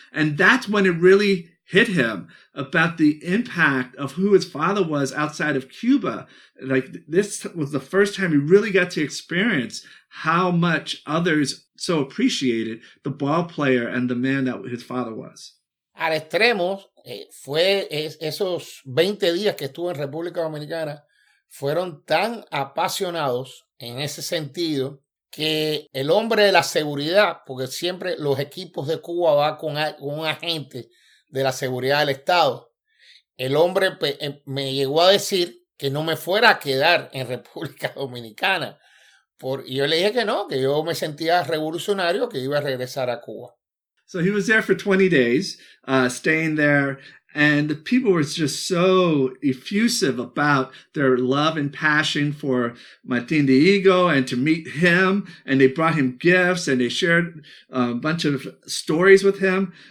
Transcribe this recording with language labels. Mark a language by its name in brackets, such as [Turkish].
[English] And that's when it really hit him about the impact of who his father was outside of Cuba. Like, this was the first time he really got to experience how much others so appreciated the ball player and the man that his father was. [Spanish] Al extremo, fue esos 20 días que estuvo en República Dominicana, fueron tan apasionados en ese sentido que el hombre de la seguridad, porque siempre los equipos de Cuba van con un agente de la seguridad del Estado, el hombre me llegó a decir que no me fuera a quedar en República Dominicana. Y yo le dije que no, que yo me sentía revolucionario, que iba a regresar a Cuba. [English] So he was there for 20 days, staying there, and the people were just so effusive about their love and passion for Martin Diego and to meet him, and they brought him gifts, and they shared a bunch of stories with him.